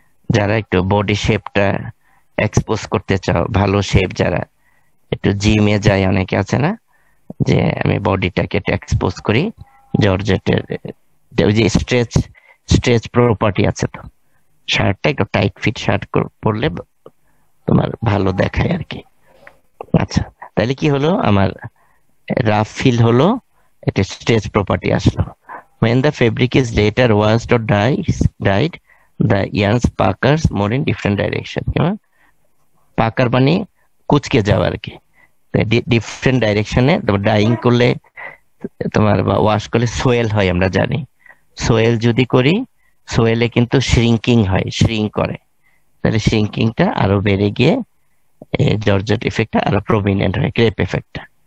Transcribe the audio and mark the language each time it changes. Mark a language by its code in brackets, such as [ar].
[bn] যারা একটু বডি শেপটা এক্সপোজ করতে চাও, ভালো শেপ, যারা একটু জিমে যায়, অনেকে আছে না যে আমি বডিটাকে এক্সপোজ করি জর্জেটের যে স্ট্রেচ স্ট্রেচ প্রপার্টি আছে, তো শার্টটা একটু টাইট ফিট শার্ট পরলে তোমার ভালো দেখায় আর কি। আচ্ছা, তাহলে কি হলো, আমার রাফ ফিল হলো, একটা স্ট্রেচ প্রপার্টি আসলো। [en] When the fabric is later washed or dyed, the yarns puckers more in different direction. [bn] কেমন পাকার মানে কুচকে যাওয়া আর কি, ডিফারেন্ট ডাইরেকশনে। তোমার ডাইং করলে তোমার বা ওয়াশ করলে সোয়েল হয়, আমরা জানি সোয়েল যদি করি সোয়েলে কিন্তু শ্রিঙ্কিং হয়, শ্রিঙ্ক করে, তাহলে শ্রিঙ্কিংটা আরো বেড়ে গিয়ে জর্জেট ইফেক্টটা আরো প্রমিনেন্ট হয়, ক্রেপ ইফেক্টটা।